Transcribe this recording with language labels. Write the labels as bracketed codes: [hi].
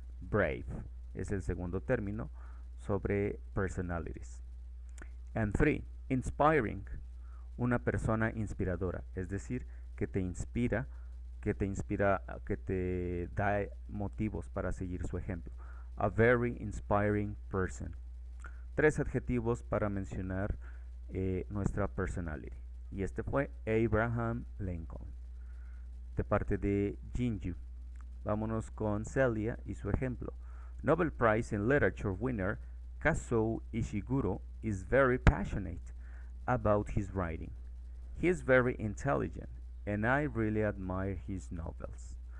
[es] Brave es el segundo término sobre personalities. [en] And three, inspiring. [es] Una persona inspiradora, es decir, que te inspira, que te inspira, que te da motivos para seguir su ejemplo. [en] A very inspiring person. [es] Tres adjetivos para mencionar nuestra personality. Y este fue Abraham Lincoln, de parte de Jinju. Vámonos con Celia y su ejemplo. [en] Nobel Prize in Literature winner Kazuo Ishiguro is very passionate about his writing. He is very intelligent and I really admire his novels.